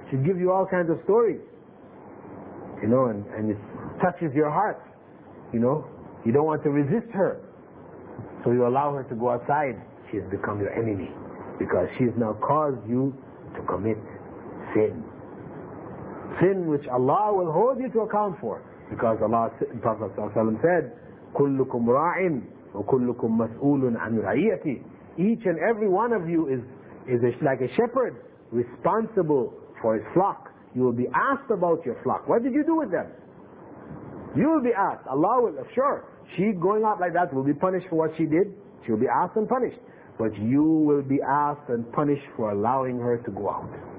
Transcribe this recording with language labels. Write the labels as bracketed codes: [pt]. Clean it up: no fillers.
[en] She gives you all kinds of stories, you know, and it touches your heart, you know. You don't want to resist her, so you allow her to go outside. She has become your enemy, because she has now caused you to commit sin. Sin which Allah will hold you to account for. Because Allah, Prophet ﷺ said, [ar] كُلُّكُمْ رَاعٍ وَكُلُّكُمْ مَسْئُولٌ عَنْ رَعِيَتِ. [en] Each and every one of you is like a shepherd, responsible for his flock. You will be asked about your flock. What did you do with them? You will be asked. Allah will, sure, she going out like that will be punished for what she did. She will be asked and punished. But you will be asked and punished for allowing her to go out.